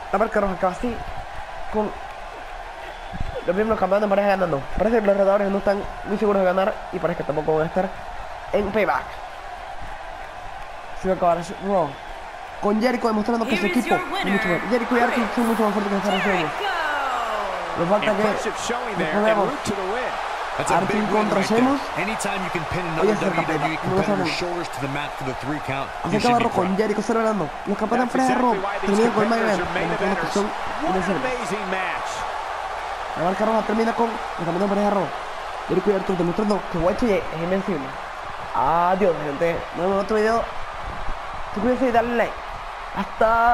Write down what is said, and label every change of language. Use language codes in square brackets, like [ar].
[es] La marca roja acaba así, con los mismos campeones de pareja ganando. Parece que los retadores no están muy seguros de ganar. Y parece que tampoco van a estar en payback. Se va a acabar el show de Raw con Jericho demostrando que su equipo es mucho mejor. Jericho y Arky son mucho más fuertes que los otros. Nos falta que nos ponemos. [en] That's a big win right there. Anytime you can pin another WWE competitor's shoulders to the mat for the three count, you should be proud. That's exactly why these competitors are main eventers. What an amazing match. [es] La marca roja termina con el campeón de pareja Raw. Jericho y Arthur demostrando que Wachey es invencible. Adiós, gente. Nos vemos en otro video. Suscríbete y dale like. Hasta.